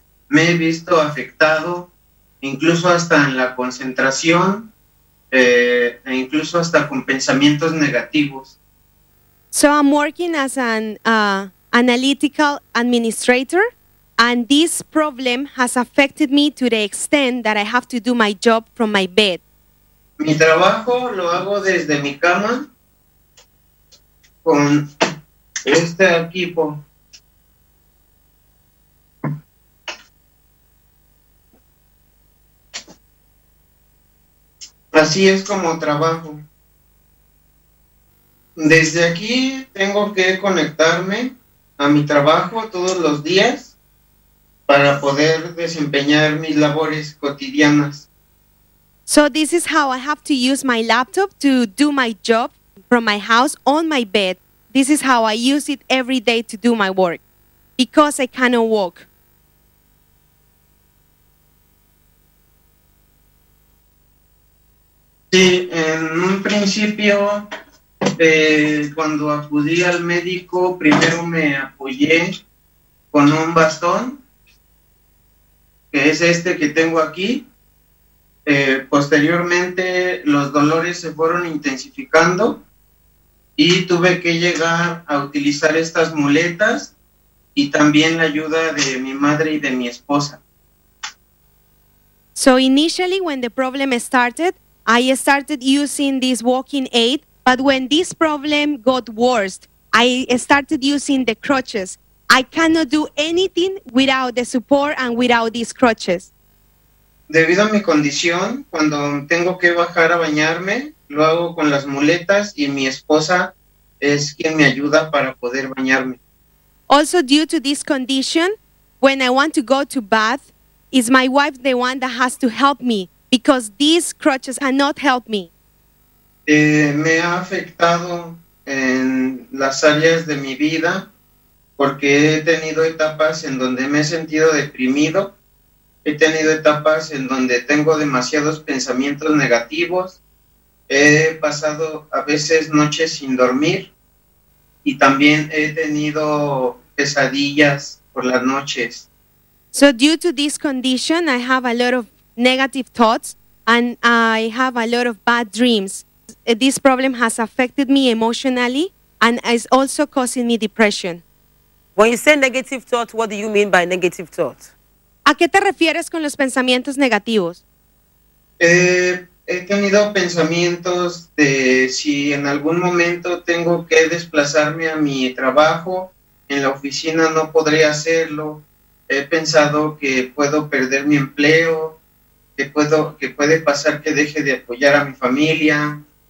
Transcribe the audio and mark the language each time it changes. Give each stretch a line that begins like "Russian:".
Spanish: Me he visto afectado incluso hasta en la concentración. E incluso hasta con pensamientos negativos.
English: So I'm working as an analytical administrator, and this problem has affected me to the extent that I have to do my job from my bed.
Spanish: Mi trabajo lo hago desde mi cama con este equipo. Así es como trabajo. Desde aquí tengo que conectarme a mi trabajo todos los días para poder desempeñar mis labores cotidianas.
English: So this is how I have to use my laptop to do my job from my house on my bed. This is how I use it every day to do my work because I cannot walk.
Spanish: Sí, en un principio, cuando acudí al médico, primero me apoyé con un bastón, que es este que tengo aquí. Posteriormente, los dolores se fueron intensificando y tuve que llegar a utilizar estas muletas y también la ayuda de mi madre y de mi esposa.
English: So initially, when the problem started, I started using this walking aid, but when this problem got worse, I started using the crutches. I cannot do anything without the support and without these crutches.
Spanish: Debido a mi condición, cuando tengo que bajar a bañarme, lo hago con las muletas y mi esposa es quien me ayuda para poder bañarme.
English: Also, due to this condition, when I want to go to bath, is my wife the one that has to help me because these crutches cannot help me?
Spanish: Me ha afectado en las áreas de mi vida porque he tenido etapas en donde me he sentido deprimido. He tenido etapas en donde tengo demasiados pensamientos negativos, he pasado a veces noches sin dormir y también he tenido pesadillas por las noches.
English: So due to this condition, I have a lot of negative thoughts and I have a lot of bad dreams. This problem has affected me emotionally and is also causing me depression. When you say negative thoughts, what do you mean by negative thoughts?
Spanish: ¿A qué te refieres con los pensamientos negativos? He tenido pensamientos de si en algún momento tengo que desplazarme a mi trabajo, en la oficina no podré hacerlo. He pensado que puedo perder mi empleo, que puede pasar que deje de apoyar a mi familia.